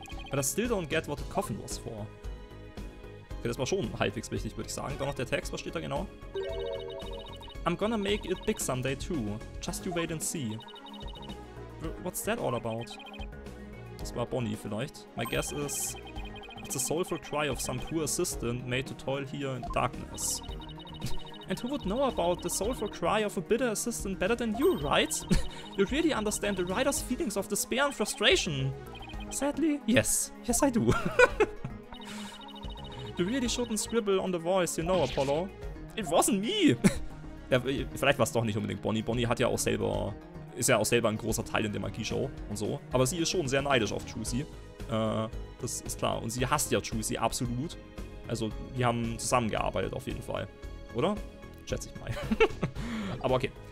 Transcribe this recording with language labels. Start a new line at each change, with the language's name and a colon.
English: But I still don't get what the coffin was for.
German: Okay, das war schon halbwegs wichtig, würde ich sagen. Dann noch der Text, was steht da genau?
English: I'm gonna make it big someday too. Just you wait and see. What's that all about?
German: Das war Bonnie vielleicht.
English: My guess is... It's a soulful cry of some poor assistant made to toil here in the darkness. And who would know about the soulful cry of a bitter assistant better than you, right? You really understand the writer's feelings of despair and frustration. Sadly, yes. Yes, I do. You really shouldn't scribble on the voice, you know, Apollo. It wasn't me.
German: Ja, vielleicht war es doch nicht unbedingt Bonnie. Bonnie hat ja auch selber, ist ja auch selber ein großer Teil in der Magie-Show und so. Aber sie ist schon sehr neidisch auf Trucy. Das ist klar. Und sie hasst ja Trucy absolut. Also, die haben zusammengearbeitet auf jeden Fall. Oder? Schätze ich mal. Aber okay.